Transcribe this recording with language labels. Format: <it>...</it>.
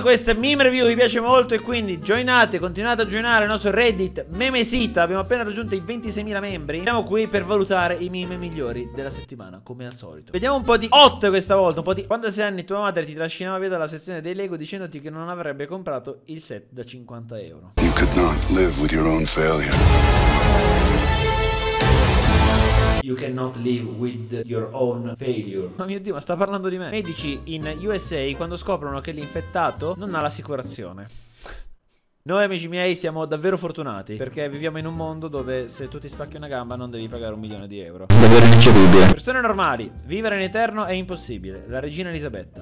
<it>Questa meme review vi piace molto e quindi joinate, continuate a joinare il nostro Reddit Memesita. Abbiamo appena raggiunto i 26.000 membri. Siamo qui per valutare i meme migliori della settimana, come al solito. Vediamo un po' di hot questa volta, un po' di... Quando sei anni tua madre ti trascinava via dalla sezione dei Lego dicendoti che non avrebbe comprato il set da 50 euro.</it> <en>You could not live with your own failure. You cannot live with your own failure.</en> <it>Ma mio Dio, ma sta parlando di me. Medici in USA quando scoprono che l'infettato non ha l'assicurazione. Noi amici miei siamo davvero fortunati, perché viviamo in un mondo dove se tu ti spacchi una gamba non devi pagare 1 milione di euro. Davvero incredibile. Persone normali, vivere in eterno è impossibile. La regina Elisabetta.</it>